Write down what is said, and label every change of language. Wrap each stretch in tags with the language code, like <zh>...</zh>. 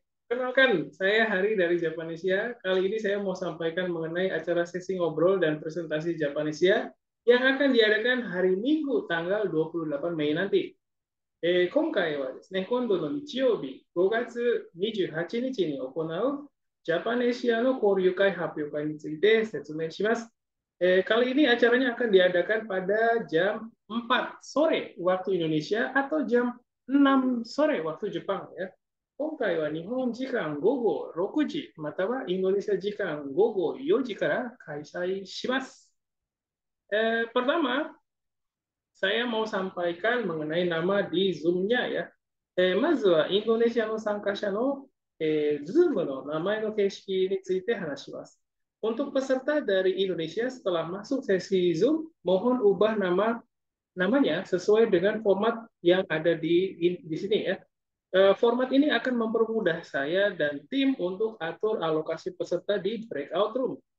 <id>Kenalkan, saya Hari dari Japanesia. Kali ini saya mau sampaikan mengenai acara sesi ngobrol dan presentasi Japanesia yang akan diadakan hari Minggu tanggal 28 Mei nanti.</id> <ja>今回はですね、今度の日曜日、5月28日に行うジャパネシアの交流会発表会について説明します。</ja> <id>kali ini acaranya akan diadakan pada jam 4 sore waktu Indonesia atau jam 6 sore waktu Jepang ya.</id> <ja>今回は日本時間午後6時またはインドネシア時間午後4時から開催します。</ja> <id>pertama, saya mau sampaikan mengenai nama di Zoom-nya ya.</id> <ja>まずはインドネシアの参加者のZoom の名前の形式について話します。</ja> <id>Untuk peserta dari Indonesia setelah masuk sesi Zoom, mohon ubah namanya sesuai dengan format yang ada di sini ya. Format ini akan mempermudah saya dan tim untuk atur alokasi peserta di breakout room.</id>